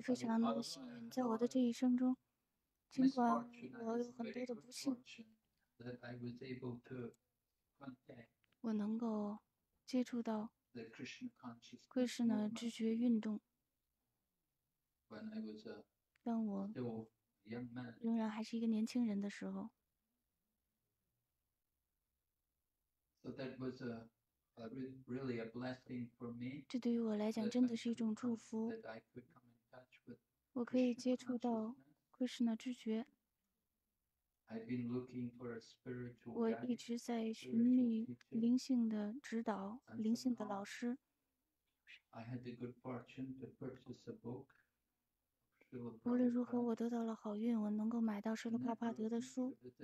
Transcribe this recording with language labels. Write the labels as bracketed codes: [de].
[zh] 我非常幸运，在我的这一生中，尽管我有很多的不幸， [en] that I was able to contact. [zh] 我能够接触到 Krishna 知觉运动。 [en] When I was a [zh] 当我 [en] young man, [zh] 仍然还是一个年轻人的时候。 [en] So that was a really a blessing for me. [zh] 这对于我来讲真的是一种祝福。 [en] That I could come in touch with. [zh] 我可以接触到 Krishna 知觉。 [en] I've been looking for a spiritual. [zh] 我一直在寻觅灵性的指导，灵性的老师。 [en] I had the good fortune to purchase a book. [zh] 无论如何，我得到了好运，我能够买到舍利帕帕德的书。